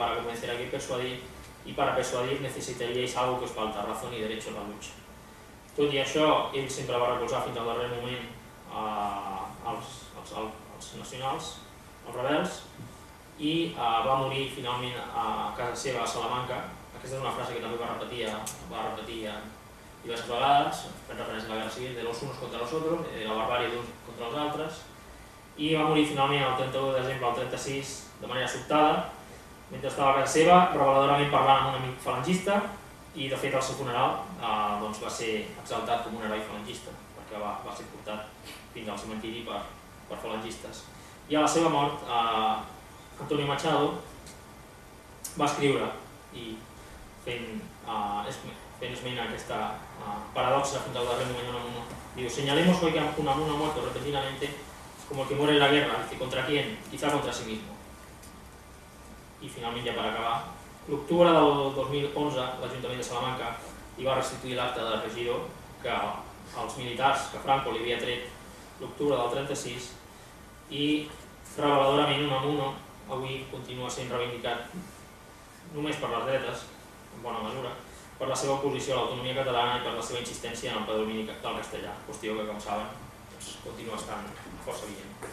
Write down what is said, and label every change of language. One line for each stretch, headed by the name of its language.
Spanish: Para convencer hay que persuadir, y para persuadir necesitaríais algo que os falta: razón y derecho a la lucha.
Catalan: Tot i això, ell sempre va recolzar fins al darrer moment els nacionals, els rebels, i va morir finalment a casa seva, a Salamanca. Aquesta és una frase que també va repetir diverses vegades, fent referència a la guerra civil,
Spanish: de los unos contra los otros,
Catalan: de la barbària d'uns contra els altres, i va morir finalment el 31 de desembre del 36 de manera sobtada, mentre estava a casa seva, reveladorament parlant amb un amic falangista, i de fet el seu funeral doncs va ser exaltat com un heroi falangista, perquè va ser portat fins al cementiri per falangistes. I a la seva mort, Antonio Machado va escriure i fent esment a aquesta paradoxa fins al darrer moment d'Unamuno. Diu,
Spanish: señalemos hoy que Unamuno ha muerto repentinamente como el que muere en la guerra, ¿contra quién? Quizá contra sí mismo.
Catalan: I finalment, ja per acabar, l'octubre del 2011, l'Ajuntament de Salamanca hi va restituir l'acta de regidor que els militars que Franco li havia tret l'octubre del 36 i, reveladorament, Unamuno avui continua sent reivindicat només per les dretes, en bona mesura, per la seva oposició a l'autonomia catalana i per la seva insistència en el padró mínim del castellà, qüestió que, com saben, doncs, continua estant força vigent.